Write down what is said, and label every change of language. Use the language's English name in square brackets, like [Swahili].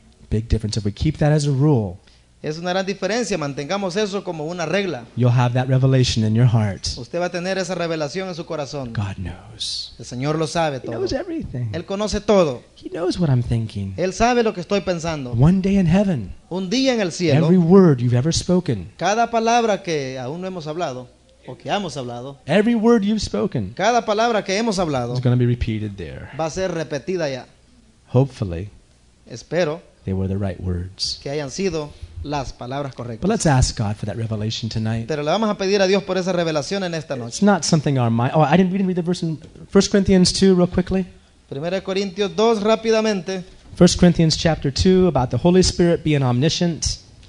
[English] Big difference if we keep that as a rule. [Spanish] Es una gran diferencia, mantengamos eso como una regla. [English] You'll have that revelation in your heart. [Spanish] Usted va a tener esa revelación en su corazón. [English] God knows. [Spanish] El Señor lo sabe todo. [English] He knows everything. [Spanish] Él conoce todo. [English] He knows what I'm thinking. [Spanish] Él sabe lo que estoy pensando. [English] One day in heaven. [Spanish] Un día en el cielo. [English] Every word you've ever spoken. [Spanish] Cada palabra que aún no hemos hablado. O que hemos hablado, [English] every word you've spoken, [Spanish] cada palabra que hemos hablado, [English] is going to be repeated there. [Spanish] Va a ser repetida ya. [English] Hopefully, [Spanish] espero, [English] they were the right words. [Spanish] Que hayan sido las palabras correctas. [English] But let's ask God for that revelation tonight. [Spanish] Pero le vamos a pedir a Dios por esa revelación en esta noche. [English] It's not something our mind. Oh, I didn't read the verse in 1 Corinthians 2 real quickly. [Spanish] 1 Corintios 2 rápidamente. [English] 1 Corinthians chapter 2 about the Holy Spirit being omniscient.